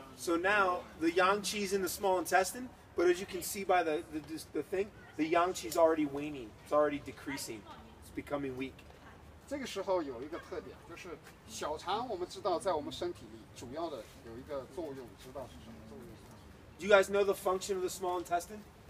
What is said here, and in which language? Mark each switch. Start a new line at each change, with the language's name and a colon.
English: So now, the yang qi is in the small intestine, but as you can see by the thing, the yang qi is already waning. It's already decreasing. It's becoming weak.
Chinese: 这个时候有一个特点，就是小肠，我们知道在我们身体里主要的有一个作用，知道是什么作用？
English: Do you guys know the function of the small intestine?